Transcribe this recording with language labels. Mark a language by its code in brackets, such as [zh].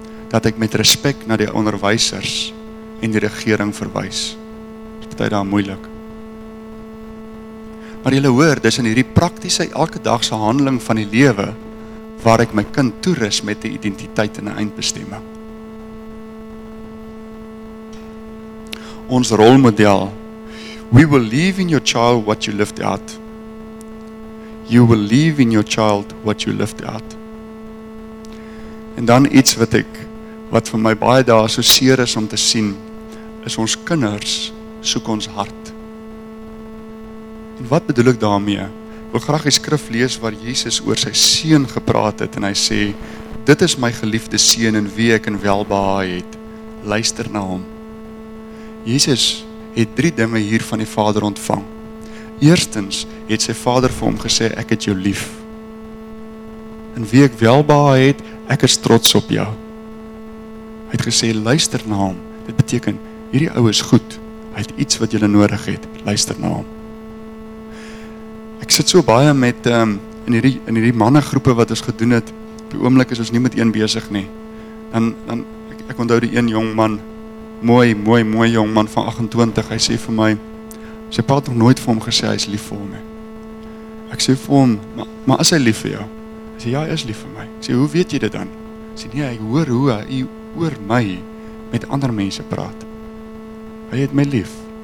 [af] Dat ek met respek na die onderwysers en die regering verwys. Dit is baie daar moeilik. Maar julle hoor, dis in hierdie praktiese elke dag se handeling van die lewe waar ek my kind toerus met 'n identiteit en 'n eindbestemming. Ons rolmodel: [en] We will leave in your child what you lived out. You will leave in your child what you lived out. [af] En dan iets wat ek wat vir my baie dae so seer is om te sien, is ons kinders soek ons hart. En wat bedoel ek daarmee? Ek wil graag die skrif lees waar Jesus oor sy seun gepraat het en hy sê, dit is my geliefde seun in wie ek in welbehaag het. Luister na hom. Jesus het drie dinge hier van die Vader ontvang. Eerstens het sy Vader vir hom gesê, ek het jou lief. In wie ek welbehaag het, ek is trots op jou. Hy het gesê, luister na hom. Dit beteken, hierdie ou is goed. Hy het iets wat jy nodig het. Luister na hom. Ek sit so baie met in hierdie mannegroepe wat ons gedoen het. Op die oomblik is ons nie met een besig nie. Dan ek onthou die een jong man, mooi jong man van 28. Hy sê vir my, sy pa het nog nooit vir hom gesê hy is lief vir hom nie. Ek sê vir hom, maar is hy lief vir jou? Hy sê, ja, hy is lief vir my. Ek sê, hoe weet jy dit dan? Hy sê, nee, ek hoor hoe hy oor my met ander mense praat. Hy het my lief.